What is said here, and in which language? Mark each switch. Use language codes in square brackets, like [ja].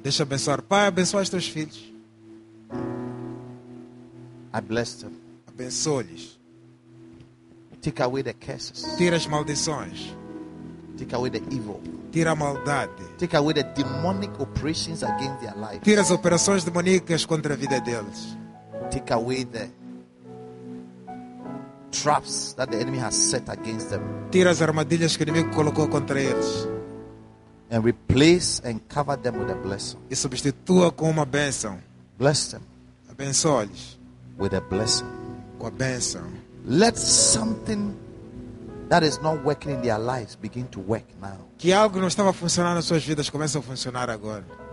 [pt] Deixa eu abençoar. Pai, abençoa os teus filhos. [en] I bless them. [pt] Abençoe-lhes. [en] Take away the curses. [pt] Tira as maldições. [en] Take away the evil. [pt] Tira a maldade. [en] Take away the demonic operations against their lives. [pt] Tira as operações demoníacas contra a vida deles. [en] Take away the traps that the enemy has set against them. [pt] Tira as armadilhas que o inimigo colocou contra eles. [en] And replace and cover them with a blessing. [pt] E substitua com uma bênção. [en] Bless them. [pt] Abençoe-lhes. [en] With a blessing. [pt] Com a bênção. [en] Let something that is not working in their lives begin to work now. [pt] Que algo não estava funcionando nas suas vidas comece a funcionar agora.